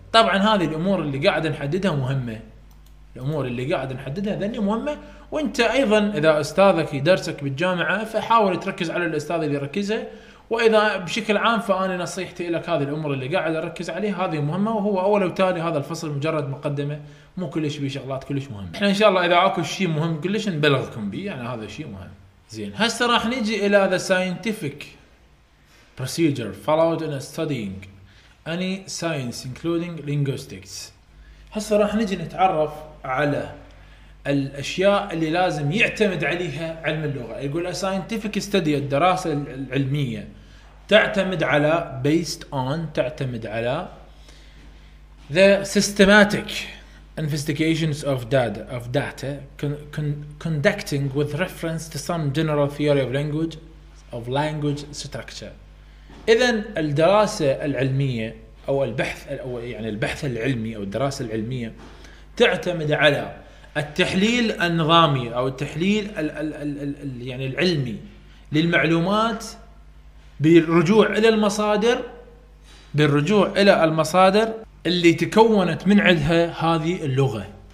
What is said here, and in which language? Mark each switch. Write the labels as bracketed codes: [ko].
[ar] طبعا هذه الامور اللي قاعد نحددها مهمة، الأمور اللي قاعد نحددها ذني مهمة، وأنت أيضا إذا أستاذك يدرسك بالجامعة فحاول تركز على الأستاذ اللي يركزه، وإذا بشكل عام فأنا نصيحتي لك هذه الأمور اللي قاعد أركز عليه هذه مهمة، وهو أول وتالي هذا الفصل مجرد مقدمة، مو كلش بي شغلات كلش مهمة. إحنا إن شاء الله إذا أكو شيء مهم كلش نبلغكم بي، يعني هذا شيء مهم. زين هسه راح نيجي إلى [en] the scientific procedure followed in studying any science including linguistics. [ar] هسه راح نيجي نتعرف على الأشياء اللي لازم يعتمد عليها علم اللغة. يقول [en] a scientific study، [ar] الدراسة العلمية تعتمد على [en] based on، [ar] تعتمد على [en] the systematic investigations of data conducting with reference to some general theory of language structure. [ar] إذن الدراسة العلمية أو البحث أو يعني البحث العلمي أو الدراسة العلمية تعتمد على التحليل النظامي أو التحليل الـ يعني العلمي للمعلومات بالرجوع إلى المصادر، بالرجوع إلى المصادر اللي تكونت من عندها هذه اللغة.